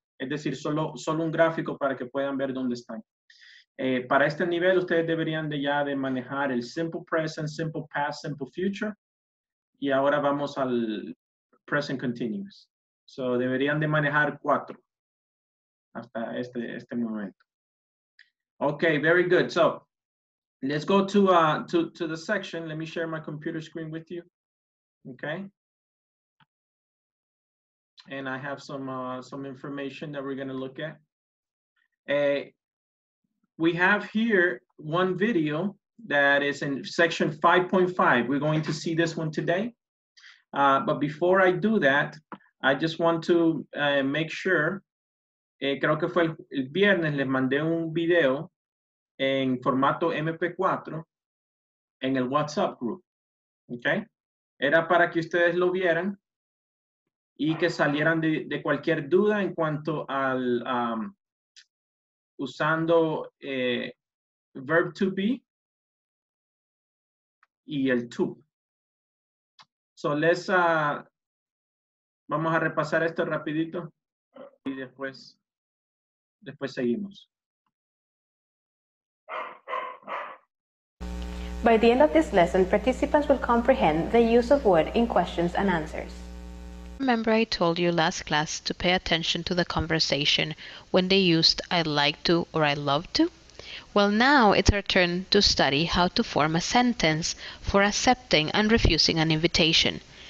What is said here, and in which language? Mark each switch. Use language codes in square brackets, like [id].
[es] Es decir, solo un gráfico para que puedan ver dónde están. Para este nivel, ustedes deberían de ya de manejar el simple present, simple past, simple future. Y ahora vamos al present continuous. So, deberían de manejar cuatro hasta este momento. [en] Okay, very good. So, let's go to the section. Let me share my computer screen with you. Okay. And I have some information that we're going to look at. We have here one video that is in section 5.5. We're going to see this one today. But before I do that, I just want to make sure. [es] Creo que fue el viernes, les mandé un video en formato MP4 en el WhatsApp group. Okay? Era para que ustedes lo vieran y que salieran de cualquier duda en cuanto al usando verb to be y el to. [en] So let's, [es] vamos a repasar esto rapidito y después seguimos. [en] By the end of this lesson, participants will comprehend the use of word in questions and answers. Remember I told you last class to pay attention to the conversation when they used I'd like to or I'd love to? Well, now it's our turn to study how to form a sentence for accepting and refusing an invitation.